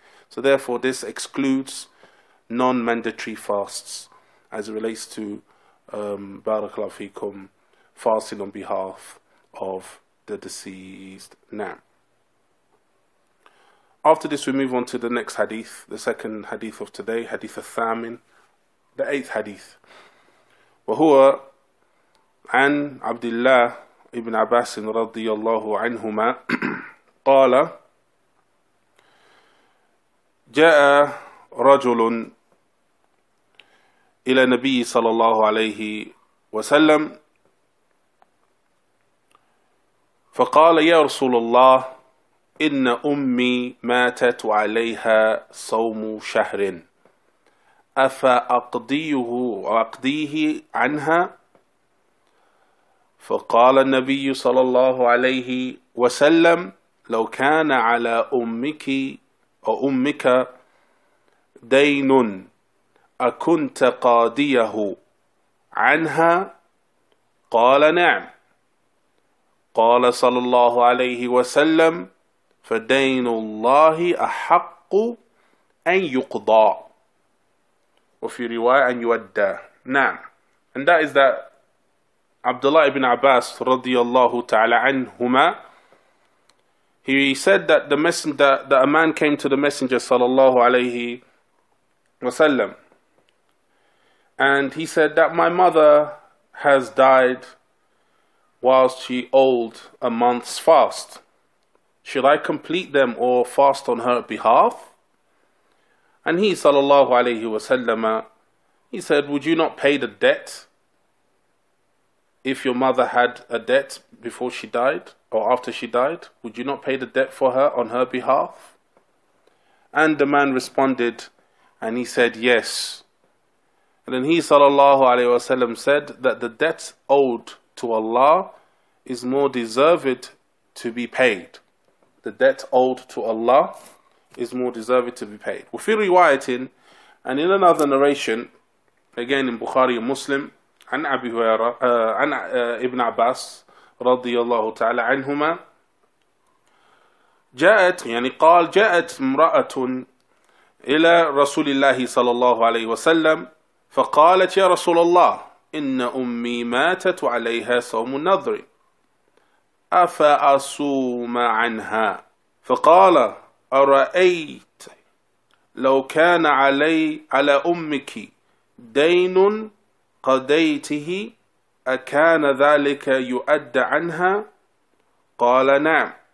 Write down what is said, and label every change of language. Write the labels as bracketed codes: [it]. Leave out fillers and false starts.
[en] So therefore this excludes non-mandatory fasts as it relates to barakallahu fikum, fasting on behalf of the deceased. Now, after this we move on to the next hadith, the second hadith of today, hadith al-thamin, the eighth hadith. [ar] وهو عن عبد الله ابن عباس رضي الله عنهما قال جاء رجل إلى النبي صلى الله عليه وسلم فقال يا رسول الله إن أمي ماتت عليها صوم شهر أفأقضيه وأقضيه عنها؟ فقال النبي صلى الله عليه وسلم لو كان على أمك أو أمك دين أكنت قاضيه عنها؟ قال نعم. قال صلى الله عليه وسلم فدين الله أحق أن يقضى. وفي رواية أن يودى. نعم. [en] And that is that Abdullah ibn Abbas radiallahu ta'ala anhuma, he said that the messenger, that a man came to the Messenger sallallahu alayhi wasallam, and he said that my mother has died whilst she owed a month's fast. Should I complete them or fast on her behalf? And he sallallahu alayhi wasallam, he said, would you not pay the debt if your mother had a debt before she died or after she died? Would you not pay the debt for her on her behalf? And the man responded and he said, yes. And then he sallallahu alayhi wa sallam said that the debt owed to Allah is more deserved to be paid. The debt owed to Allah is more deserved to be paid. [ar] وفي روايتين, [en] and in another narration, again in Bukhari and Muslim, [ar] عن أبي هريرة عن ابن عباس رضي الله تعالى عنهما جاءت يعني قال جاءت امرأة إلى رسول الله صلى الله عليه وسلم فقالت يا رسول الله إن أمي ماتت عليها صوم النذر أفأصوم عنها فقال أرأيت لو كان علي على أمك دين قضيته أكان ذلك يؤدى عنها؟ قال نعم.